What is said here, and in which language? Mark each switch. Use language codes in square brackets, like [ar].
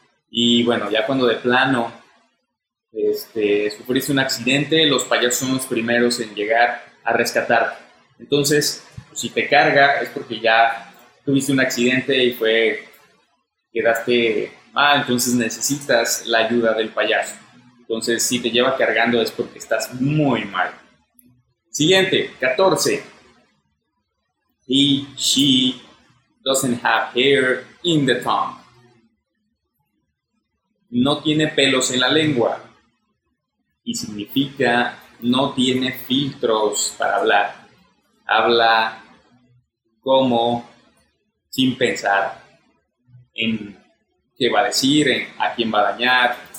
[es] Y bueno, ya cuando de plano sufriste un accidente, los payasos son los primeros en llegar a rescatar. Entonces, pues, si te carga es porque ya tuviste un accidente y quedaste mal, entonces necesitas la ayuda del payaso. Entonces, si te lleva cargando es porque estás muy mal. Siguiente, 14. [en] He, she doesn't have hair in the tongue. [es] No tiene pelos en la lengua y significa no tiene filtros para hablar. Habla como sin pensar en qué va a decir, en a quién va a dañar.